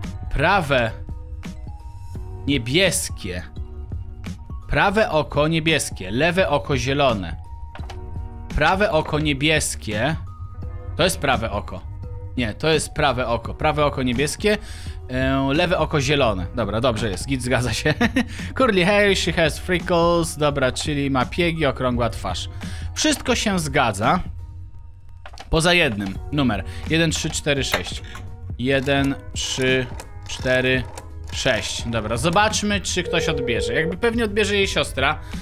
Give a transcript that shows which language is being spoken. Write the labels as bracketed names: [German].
[Polish] Prawe niebieskie. Prawe oko niebieskie, lewe oko zielone. Prawe oko niebieskie. To jest prawe oko. Nie, to jest prawe oko. Prawe oko niebieskie, lewe oko zielone. Dobra, dobrze jest, git zgadza się. [English] Curly hair, she has freckles. [Polish] Dobra, czyli ma piegi, okrągła twarz. Wszystko się zgadza. Poza jednym. Numer 1346. 1346. Dobra, zobaczmy, czy ktoś odbierze. Jakby pewnie odbierze jej siostra.